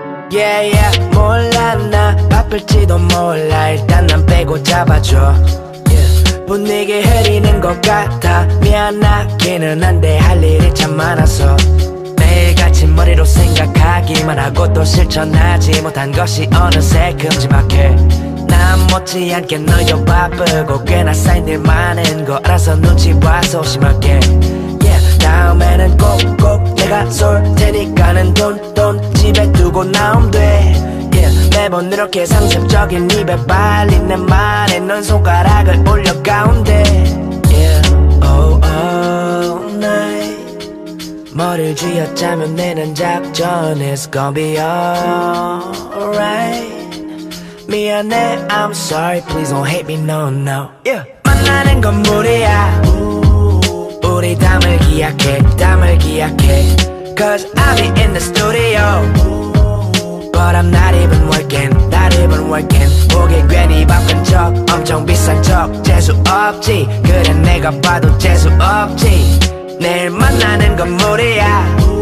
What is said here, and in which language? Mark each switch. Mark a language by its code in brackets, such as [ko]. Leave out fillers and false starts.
[ko] Yeah, yeah, 몰라 나 바쁠지도 몰라 일단 난 빼고 잡아줘 분위기 흐리는 것 같아 미안하기는 한데 할 일이 참 많아서 매일같이 머리로 생각하기만 하고 또 실천하지 못한 것이 어느새 큼지막해 난 못지않게 너여 바쁘고 꽤나 쌓인 일 많은 거 알아서 눈치 봐 소심하게 다음에는 꼭꼭 내가 쏠 테니까는 돈돈 집에 두고 나오면 돼 매번 이렇게 상습적인 입에 발린 내 말에 넌 손가락을 올려 가운데 yeah. [en] Oh, all night [ko] 머리를 쥐어짜면 내 난 작전 [en] It's gonna be alright [ko] 미안해 [en] I'm sorry Please don't hate me no no yeah. [ko] 만나는 건 무리야 Ooh. 우리 담을 기약해 담을 기약해 [en] Cause I'll be in the studio But I'm not even working, [ko] not even working 목에 괜히 바쁜 척, 엄청 비싼 척 재수 없지, 그래 내가 봐도 재수 없지 내일 만나는 건 무리야